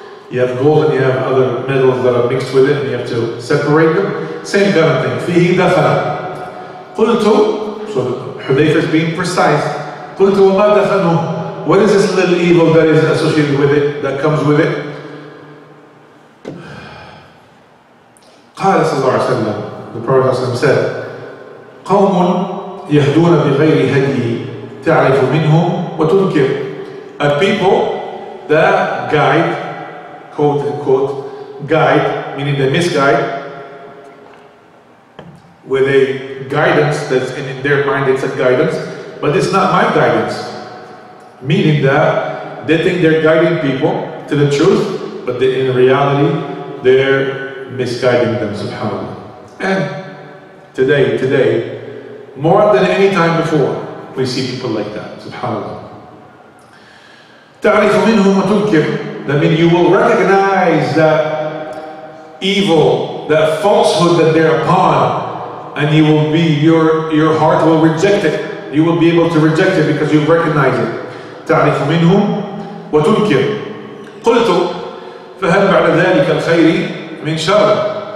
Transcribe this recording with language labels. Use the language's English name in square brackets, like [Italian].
[English] You have gold and you have other metals that are mixed with it, and you have to separate them. Same kind of thing. Fihi dafan. Qultu. So Hudayfa is being precise. [Arabic] قلت وما دفنه. [English] What is this little evil that is associated with it, that comes with it? [Arabic] قال صلى الله عليه وسلم. [English] The Prophet said, [Arabic] قوم يهدون بغير هدي تعرف منهم وتنكر. [English] A people that guide, quote unquote, guide, meaning they misguide, with a guidance that's in their mind, it's a guidance, but it's not my guidance. Meaning that they think they're guiding people to the truth, but they, in reality, they're misguiding them, subhanAllah. And today, more than any time before, we see people like that, subhanAllah. [Arabic] تَعْرِفُ مِنْهُمْ وَتُنْكِرُ. [English] That means you will recognize that evil, that falsehood that they're upon, and you will be, your heart will reject it. You will be able to reject it because you recognize it. [Arabic] تعرف منهم وتنكر. قلت فهل بعد ذلك الخير من شر.